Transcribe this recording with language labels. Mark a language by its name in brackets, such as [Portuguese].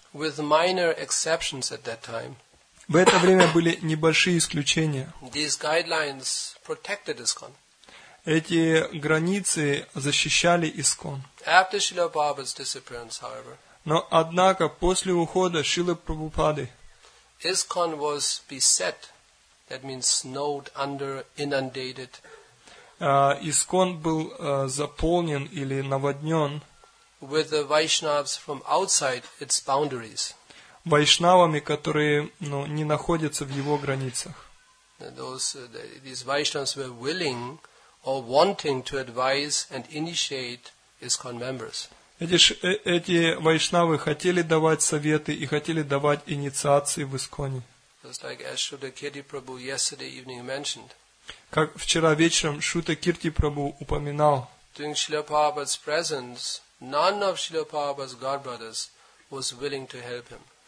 [English] With minor exceptions at that time. [Russian] В это время были небольшие исключения. [English] These guidelines protected ISKCON. [Russian] Эти границы защищали ИСКОН. [English] After Srila Prabhupada's disappearance, however, [Russian] но, однако, после ухода Шрилы Прабхупады, [English] ISKCON was beset, that means snowed under, inundated. [Russian] ИСКОН был заполнен или наводнен [English] with the Vaishnavas from outside its boundaries. [Russian] Вайшнавами, которые, ну, не находятся в его границах. [English] These Vaishnavas were willing or wanting to advise and initiate ISKCON members. [Russian] Эти вайшнавы хотели давать советы и хотели давать инициации в ИСКОНе. [English] Just like Ashuddha Kirti Prabhu yesterday evening mentioned. [Russian] Как вчера вечером Шута Кирти Прабху упоминал. [English] During Srila Prabhupada's presence, none of Srila Prabhupada's godbrothers was willing to help him.